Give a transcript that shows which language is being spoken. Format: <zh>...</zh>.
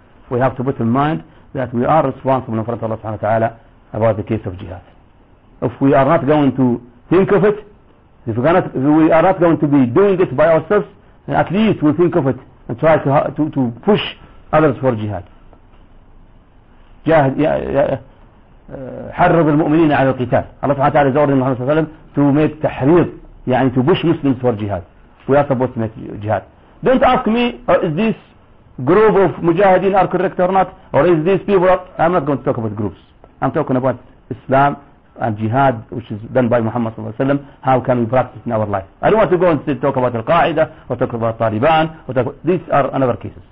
<en>We have to put in mind that we are responsible in front of Allah subhanahu wa ta'ala about the case of jihad. If we are not going to think of it, If we are not going to be doing it by ourselves, then at least we think of it and try to push others for jihad.</en> <ar>Jihad, حرّض المؤمنين على القتال.</ar> <en>Allah Subhanahu wa Taala is ordering Muhammad Sallallahu Alaihi Wasallam to make تحريض, يعني to push Muslims for jihad. We are supposed to make jihad. Don't ask me, is this group of mujahideen are correct or not, or is these people? I'm not going to talk about groups. I'm talking about Islam and jihad, which is done by Muhammad Sallallahu Alaihi Wasallam. How can we practice in our life? I don't want to go and talk about Al Qaeda or talk about Taliban. These are another cases.</en>